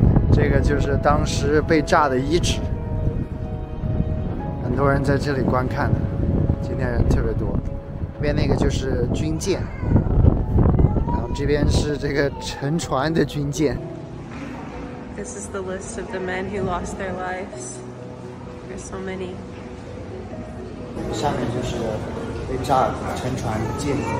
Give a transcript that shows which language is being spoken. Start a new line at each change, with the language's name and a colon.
Chinese: 这个就是当时被炸的遗址，很多人在这里观看的，今天人特别多。那边那个就是军舰，然后这边是这个沉船的军舰。
English: This is the list of the men who lost their lives. There's so many.
Chinese: 下面就是被炸沉船的舰。